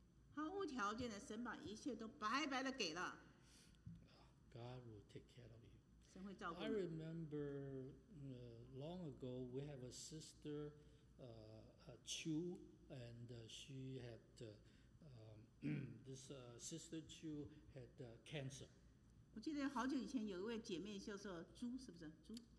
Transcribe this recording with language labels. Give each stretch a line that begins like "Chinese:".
Chinese: 毫无条件的，神把一切都白白的给了。
English: God will take care of you.
Chinese: 神会照顾你。
English: I remember long ago we have a sister, Chu, and she had this sister Chu had cancer.
Chinese: 我记得好久以前有一位姐妹叫做朱，是不是朱？